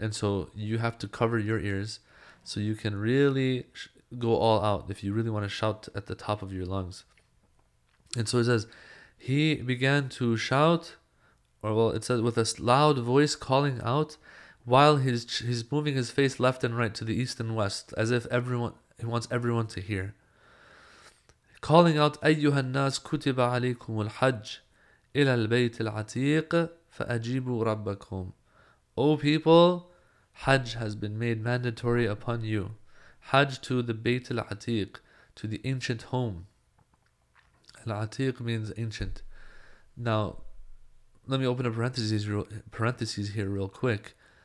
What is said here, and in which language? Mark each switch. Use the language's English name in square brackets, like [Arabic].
[English] And so you have to cover your ears so you can really go all out if you really want to shout at the top of your lungs. And so it says, he began to shout, it says, with a loud voice calling out while he's moving his face left and right to the east and west, as if he wants everyone to hear. Calling out, [Arabic] أَيُّهَا النَّاسِ كُتِبَ عَلَيْكُمُ الْحَجِّ إِلَى الْبَيْتِ الْعَتِيقِ فَأَجِيبُوا رَبَّكُمْ. [English] O people, Hajj has been made mandatory upon you. Hajj to the Bayt al-Atiq, to the ancient home. Al-Atiq means ancient. Now, let me open a parenthesis here real quick.